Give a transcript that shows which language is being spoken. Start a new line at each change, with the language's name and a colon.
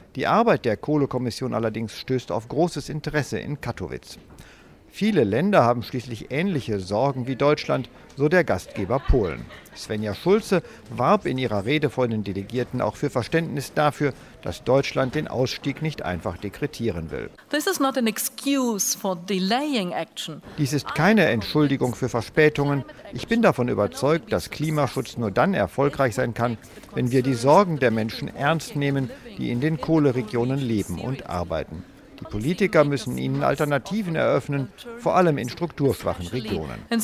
German: Die Arbeit der Kohlekommission allerdings stößt auf großes Interesse in Katowice. Viele Länder haben schließlich ähnliche Sorgen wie Deutschland, so der Gastgeber Polen. Svenja Schulze warb in ihrer Rede vor den Delegierten auch für Verständnis dafür, dass Deutschland den Ausstieg nicht einfach dekretieren will.
English: This is not an excuse for delaying action.
German: Dies ist keine Entschuldigung für Verspätungen. Ich bin davon überzeugt, dass Klimaschutz nur dann erfolgreich sein kann, wenn wir die Sorgen der Menschen ernst nehmen, die in den Kohleregionen leben und arbeiten. Die Politiker müssen ihnen Alternativen eröffnen, vor allem in strukturschwachen Regionen.